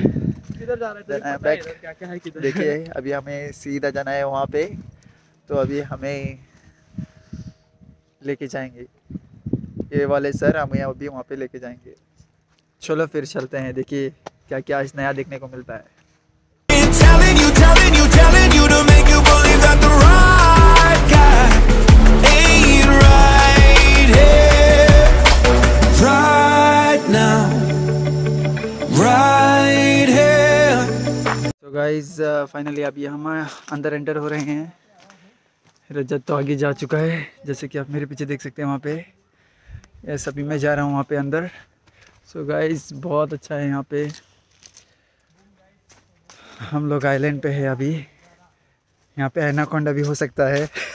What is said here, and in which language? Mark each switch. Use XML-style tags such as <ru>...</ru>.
<hi>किधर जा रहे थे, क्या क्या है किधर? देखिए, अभी हमें सीधा जाना है वहाँ पे, तो अभी हमें लेके जाएंगे ये वाले सर, हमें अभी वहाँ पे लेके जाएंगे। चलो फिर चलते हैं, देखिए क्या क्या आज नया देखने को मिलता है।</hi> <en>Telling you to make you believe that the right guy ain't right here, right now, right here. So guys, finally</en> <hi>अभी हम अंदर एंटर हो रहे हैं। रजत तो आगे जा चुका है, जैसे कि आप मेरे पीछे देख सकते हैं वहाँ पे। यस, अभी मैं जा रहा हूँ वहाँ पे अंदर। सो गाइज, बहुत अच्छा है यहाँ पे। हम लोग आइलैंड पे है अभी। यहाँ पे एनाकोंडा भी हो सकता है।</hi>